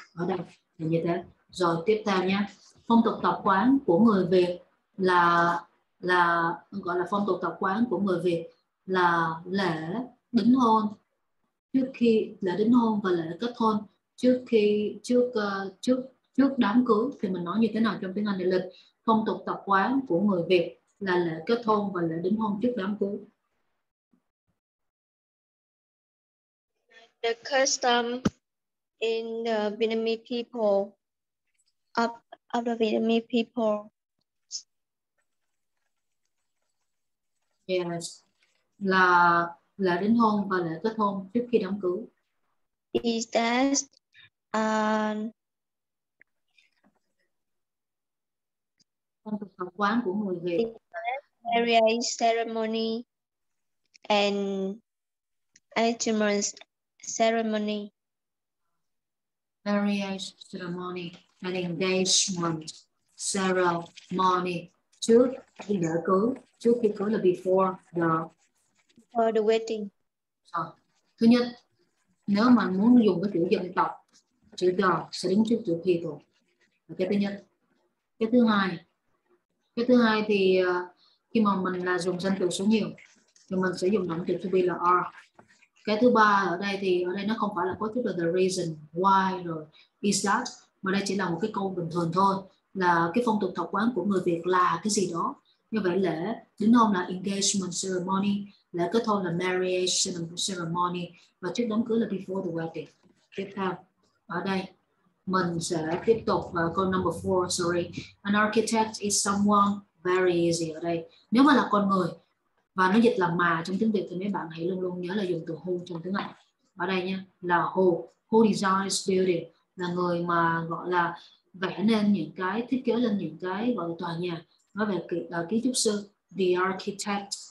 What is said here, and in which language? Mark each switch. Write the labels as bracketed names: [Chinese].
[Vietnamese] Ở đây là như thế. Rồi, tiếp theo nhé. Phong tục tập quán của người Việt là gọi là phong tục tập quán của người Việt là lễ đính hôn trước khi lễ đính hôn và lễ kết hôn trước khi trước đám cưới thì mình nói như thế nào trong tiếng Anh đại lịch. Phong tục tập quán của người Việt là lễ kết hôn và lễ đính hôn trước đám cưới. [English] The custom in the Vietnamese people of the Vietnamese people. [Vietnamese] Yes, là lễ đính hôn và lễ kết hôn trước khi đám cưới. [English] Is that [Vietnamese] phong tục tập quán của người Việt? [English] Marriage ceremony and attachment ceremony. Marriage ceremony and engagement ceremony. [Vietnamese] Trước khi lễ cưới, trước khi cưới là [English] before the wedding. [Vietnamese] À, thứ nhất, nếu mà muốn dùng cái chữ dân tộc, chữ the sẽ đứng trước chữ people. Cái thứ nhất. Cái thứ hai thì khi mà mình là dùng danh từ số nhiều, thì mình sẽ dùng động từ to be là are. Cái thứ ba ở đây nó không phải là có chữ là the reason, why, rồi is that, mà đây chỉ là một cái câu bình thường thôi. Là cái phong tục tập quán của người Việt là cái gì đó. Như vậy lễ đính hôn là [English] engagement ceremony, [Vietnamese] lễ kết hôn là [English] marriage ceremony, [Vietnamese] và trước đám cưới là [English] before the wedding. [Vietnamese] Tiếp theo, ở đây mình sẽ tiếp tục vào câu [English] number 4, sorry. An architect is someone very easy [Vietnamese] ở đây. Nếu mà là con người và nó dịch là mà trong tiếng Việt thì mấy bạn hãy luôn luôn nhớ là dùng từ who trong tiếng Anh. Ở đây nhé, là who designs building, là người mà gọi là vẽ nên những cái, thiết kế lên những cái gọi là tòa nhà. Nói về kiến trúc sư, [English] the architect.